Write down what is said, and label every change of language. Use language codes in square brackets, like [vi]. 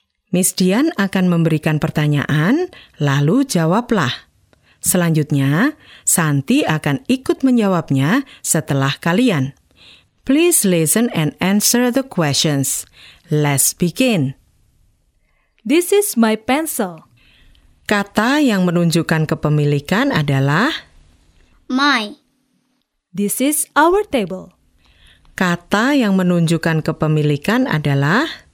[id] Miss Dian akan memberikan pertanyaan, lalu jawablah. Selanjutnya, Santi akan ikut menjawabnya setelah kalian. [en] Please listen and answer the questions. Let's begin. "This is my pencil." [id] Kata yang menunjukkan kepemilikan adalah [en] "my." "This is our table." [id] Kata yang menunjukkan kepemilikan adalah